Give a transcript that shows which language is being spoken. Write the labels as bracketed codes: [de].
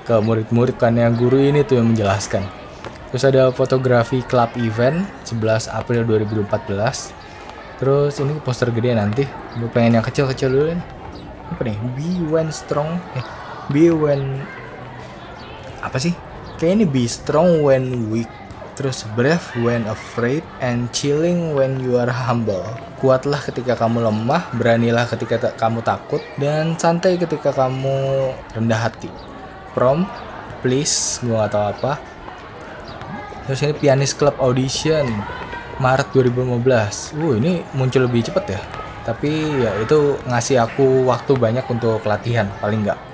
[id] Ke murid-murid kan yang guru ini tuh yang menjelaskan. Terus ada fotografi club event 11 April 2014. Terus ini poster gede nanti. Gue pengen yang kecil-kecil dulu nih. Apa nih? [en] Be when strong. Be when... [id] Apa sih? Kayaknya ini be strong when weak. [en] Terus, brave when afraid and chilling when you are humble. [id] Kuatlah ketika kamu lemah, beranilah ketika kamu takut, dan santai ketika kamu rendah hati. Prom, please, gua gak tau apa. Terus ini pianist club audition, Maret 2015. Ini muncul lebih cepet ya. Tapi ya itu ngasih aku waktu banyak untuk latihan, paling enggak.